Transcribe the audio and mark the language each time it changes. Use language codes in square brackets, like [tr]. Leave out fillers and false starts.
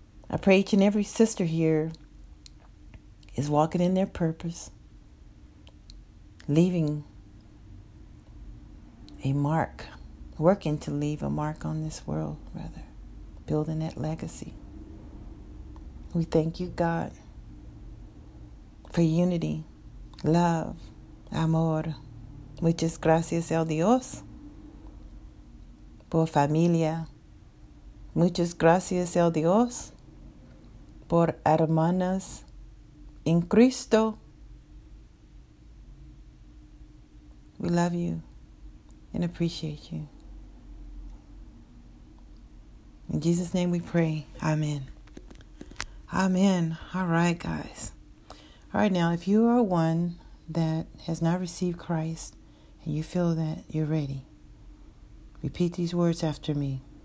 [en] I pray each and every sister here is walking in their purpose, leaving a mark, working to leave a mark on this world, rather, building that legacy. We thank you, God, for unity, love, [es] amor, muchas gracias a Dios, por familia, muchas gracias a Dios, por hermanas en Cristo. [en] We love you and appreciate you. In Jesus' name we pray. Amen. Amen. All right, guys. All right, now, if you are one that has not received Christ and you feel that you're ready, repeat these words after me.